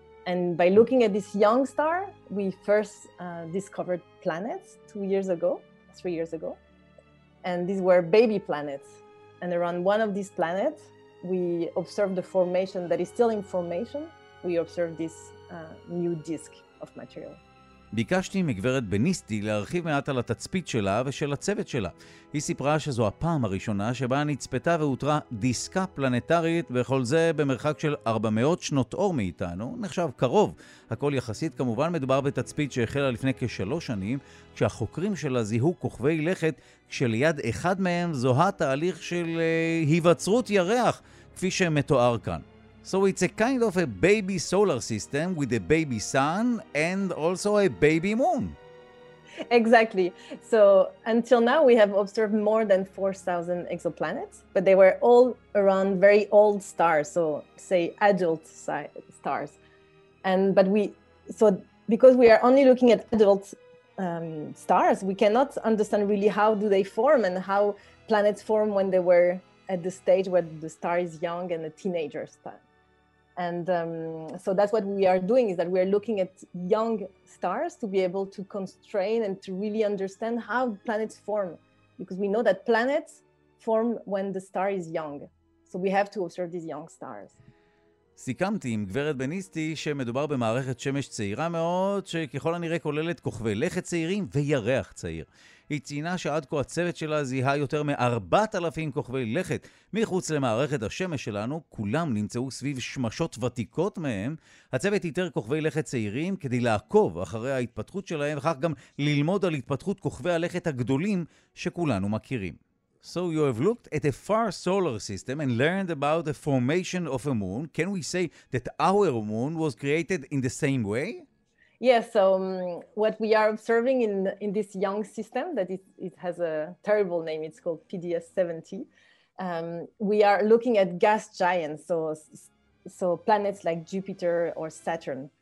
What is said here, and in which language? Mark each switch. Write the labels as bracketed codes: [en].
[en] And by looking at this young star, we first discovered planets 2 years ago, 3 years ago. And these were baby planets. And around one of these planets, we observed the formation that is still in formation. We observed this new disk of material. [he] ביקשתי מגברת בניסטי להרחיב מעט על התצפית שלה ושל הצוות שלה. היא סיפרה שזו הפעם הראשונה שבה נצפתה ואותרה דיסקה פלנטרית, וכל זה במרחק של 400 שנות אור מאיתנו, נחשב קרוב. הכל יחסית, כמובן מדובר בתצפית שהחלה לפני כ3 שנים, כשהחוקרים שלה זיהו כוכבי לכת, כשליד אחד מהם זוהה תהליך של היווצרות ירח, כפי שמתואר כאן. [en] So it's a kind of a baby solar system with a baby sun and also a baby moon. Exactly. So until now, we have observed more than 4,000 exoplanets, but they were all around very old stars, so say adult stars. So because we are only looking at adult stars, we cannot understand really how do they form and how planets form when they were at the stage where the star is young and a teenager star. And so that's what we are doing, is that we are looking at young stars to be able to constrain and to really understand how planets form, because we know that planets form when the star is young. So we have to observe these young stars. [he] סיכמתי עם גברת בניסטי שמדובר במערכת שמש צעירה מאוד, שככל הנראה כוללת כוכבי לכת צעירים וירח צעיר. היא ציינה שעד כה הצוות שלה זיהה יותר מ-4,000 כוכבי לכת מחוץ למערכת השמש שלנו, כולם נמצאו סביב שמשות ותיקות מהם. הצוות איתר כוכבי לכת צעירים כדי לעקוב אחרי ההתפתחות שלהם, וכך גם ללמוד על התפתחות כוכבי הלכת הגדולים שכולנו מכירים. [en] So you have looked at a far solar system and learned about the formation of a moon. Can we say that our moon was created in the same way? Yes, so what we are observing in this young system, that it has a terrible name, it's called PDS-70, we are looking at gas giants, so planets like Jupiter or Saturn.